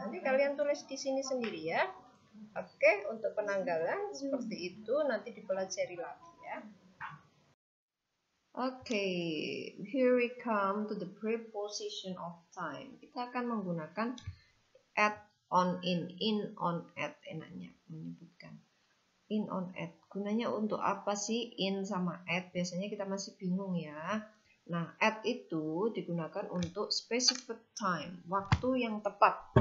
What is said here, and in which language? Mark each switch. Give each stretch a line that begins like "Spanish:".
Indonesian: Nanti kalian tulis di sini sendiri ya. Oke, untuk penanggalan seperti itu nanti dipelajari lagi ya.
English: Okay, here we come to the preposition of time.
Indonesian: Kita akan menggunakan at, on, in, on, at, enaknya menyebutkan. In, on, at, gunanya untuk apa sih in sama at? Biasanya kita masih bingung ya. Nah, at itu digunakan untuk
English: specific time,
Indonesian: waktu yang tepat.